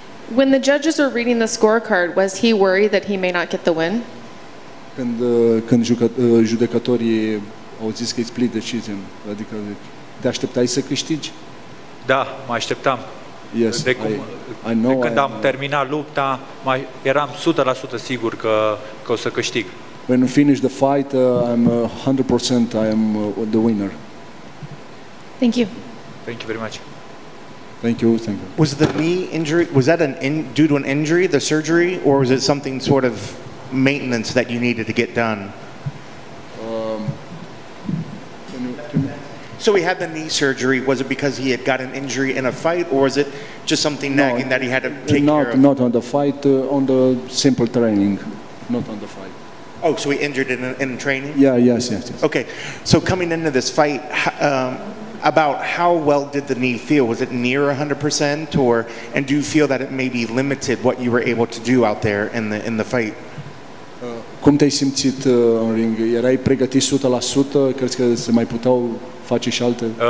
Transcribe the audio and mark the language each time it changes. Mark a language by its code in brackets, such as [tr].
[en] When the judges were reading the scorecard, was he worried that he may not get the win? [ro] Când judecătorii au zis că e split decision, adică te așteptai să câștigi? Da, mă așteptam. [en] Yes, I know. [ro] De când am terminat lupta, eram 100% sigur că o să câștig. [en] When you finish the fight, I'm 100% I am the winner. Thank you. Thank you very much. Thank you. Was the knee injury, was that due to an injury, the surgery, or was it something sort of maintenance that you needed to get done? So he had the knee surgery, was it because he had got an injury in a fight, or was it just something nagging that he had to take care of? Not on the fight, on the simple training, not on the fight. Oh, so he injured it in training? Yeah, yes. Okay, so coming into this fight, about how well did the knee feel? Was it near 100%, or and do you feel that it maybe limited what you were able to do out there in the fight? [ro] Cum te-ai simțit în ring? Erai pregătit 100%? Crezi că se mai puteau face și alte?